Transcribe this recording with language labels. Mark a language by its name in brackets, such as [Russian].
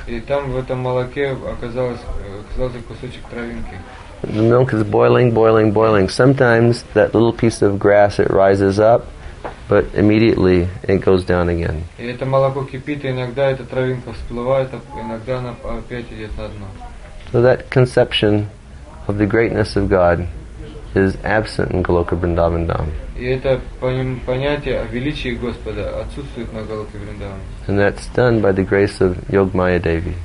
[Russian] И там в этом молоке оказался кусочек травинки. [English] The milk is boiling, boiling, boiling. Sometimes that little piece of grass, it rises up, but immediately it goes down again. [Russian] И это молоко кипит, и иногда эта травинка всплывает, а иногда она опять идет на дно. [English] So that conception of the greatness of God is absent in Goloka Vrindavan Dham. [Russian] И это понятие о величии Господа отсутствует на Голоке Вриндаване. [English] And that's done by the grace of Yogamaya Devi.